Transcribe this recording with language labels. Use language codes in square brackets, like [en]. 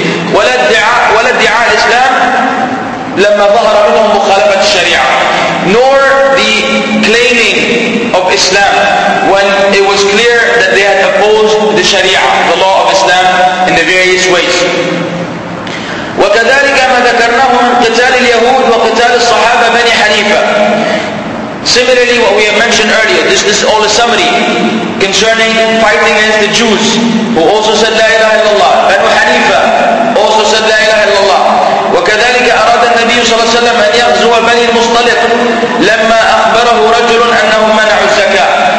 [ar] وَلَا ادْعَى الْإِسْلَامِ لَمَّا ظَهَرَ مِنْهُمْ مُخَالَفَةِ الشَّرِيعَةِ. [en] Nor the claiming of Islam when it was clear that they had opposed the Sharia, the law of Islam, in the various ways. [ar] وكذلك ما ذكرناهم قتال اليهود وقتال الصحابة بني حنيفة. [en] Similarly, what we have mentioned earlier, this is all a summary concerning fighting against the Jews, who also said [ar] لا إله إلا الله. بنو حنيفة [en] also said [ar] لا إله إلا الله. وكذلك أراد النبي صلى الله عليه وسلم أن يغزو بني المصطلق لما أخبره رجل أنهم منعوا الزكاة.